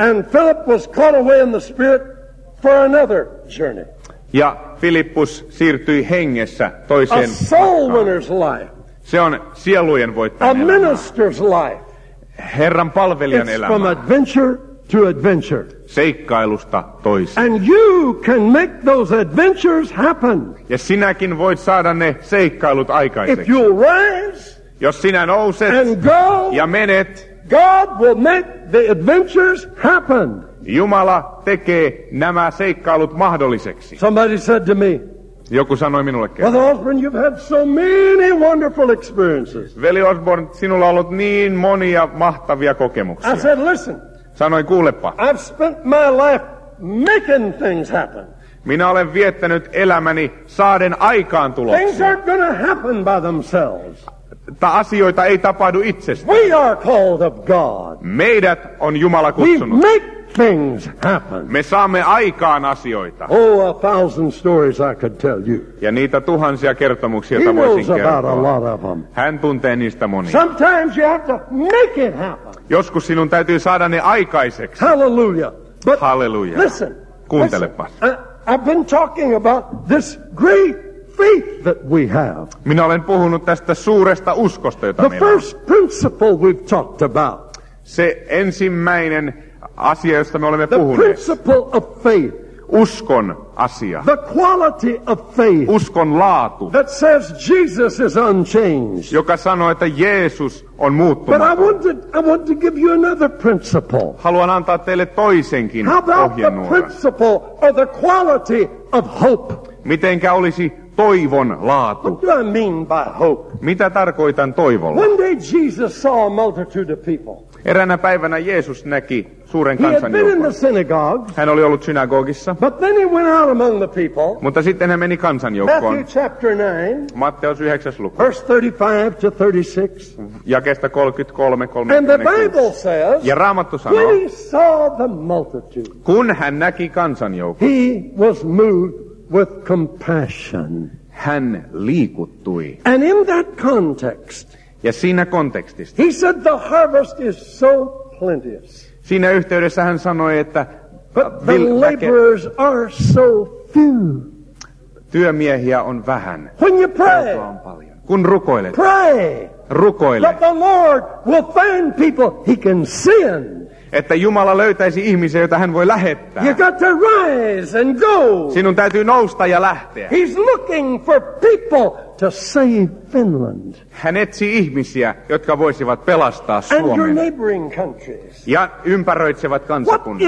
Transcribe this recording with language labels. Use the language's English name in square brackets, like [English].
[English] And Philip was caught away in the spirit for another journey. [Finnish] Ja Filippus siirtyi hengessä toiseen. [English] A soul winner's life. [Finnish] Se on sielujen voittajan elämä. [English] A minister's life. [Finnish] Herran palvelijan [English] It's [Finnish] elämä. [English] From adventure to adventure. [Finnish] Seikkailusta toiseen. [English] And you can make those adventures happen. [Finnish] Ja sinäkin voit saada ne seikkailut aikaiseksi. [English] If you rise, [Finnish] jos sinä nouset [English] and go, [Finnish] ja menet, [English] God will make the adventures happen. [Finnish] Jumala tekee nämä seikkailut mahdolliseksi. [English] Somebody said to me, [Finnish] joku sanoi minulle kerran. [English] Brother Osborne, you've had so many wonderful experiences. [Finnish] Veli Osborne, sinulla on ollut niin monia mahtavia kokemuksia. [English] I said, listen. [Finnish] Sanoin, kuulepa. [English] I've spent my life making things happen. [Finnish] Minä olen viettänyt elämäni saaden aikaan tuloksia. [English] Things aren't going to happen by themselves. [Finnish] Asioita ei tapahdu itsestään. [English] We are called of God. [Finnish] Meidät on Jumala kutsunut. [English] We make things happen. [Finnish] Me saamme aikaan asioita. [English] Oh, a thousand stories I could tell you. [Finnish] Ja niitä tuhansia kertomuksia, joita voisin kertoa. [English] He knows about a lot of them. [Finnish] Hän tuntee niistä monia. [English] Sometimes you have to make it happen. [Finnish] Joskus sinun täytyy saada ne aikaiseksi. [English] Hallelujah. But hallelujah. Listen. [Finnish] Kuuntelepa. [English] I've been talking about this great faith that we have. [Finnish] Minä olen puhunut tästä suuresta uskosta, jota meillä on. [English] The first principle we've talked about. [Finnish] Se ensimmäinen asia, josta me olemme [English] the The principle of faith. [Finnish] Uskon asia. [English] The quality of faith. [Finnish] Uskon laatu. [English] That says Jesus is unchanged. [Finnish] Joka sanoo, että Jeesus on muuttumaton. [English] But I want to give you another principle. [Finnish] Haluan antaa teille toisenkin ohjenuora. [English] How about the principle or the quality of hope? [Finnish] Mitenkä olisi toivon laatu? [English] What do I mean by hope? [Finnish] Mitä tarkoitan toivolla? [English] One day Jesus saw a multitude of people. [Finnish] Eräänä päivänä Jeesus näki suuren kansanjoukon. Hän oli ollut synagogissa. [English] But then he went out among the people. [Finnish] Mutta sitten hän meni kansanjoukkoon. [English] Matthew chapter 9. [Finnish] Matteus 9. luku. [English] Verse 35 to 36. [Finnish] Jakeesta 33-36. [English] And the Bible says. [Finnish] Ja Raamattu sanoo. [English] When he saw the multitude. [Finnish] Kun hän näki kansanjoukon. [English] He was moved with compassion. [Finnish] Hän liikuttui. [English] And in that context. [Finnish] Ja siinä kontekstissa. [English] He said the harvest is so plenteous. [Finnish] Siinä yhteydessä hän sanoi, että [English] laborers are so few. [Finnish] Työmiehiä on vähän. [English] When you pray, [Finnish] kun rukoilet. [English] Pray. [Finnish] Rukoile. [English] That the Lord will find people he can send. [Finnish] Että Jumala löytäisi ihmisiä, joita hän voi lähettää. [English] You got to rise and go. [Finnish] Sinun täytyy nousta ja lähteä. [English] He's looking for people to save Finland. [Finnish] Hän etsii ihmisiä, jotka voisivat pelastaa Suomen. [English] And your neighboring countries. [Finnish] Ja ympäröitsevät kansakunnat.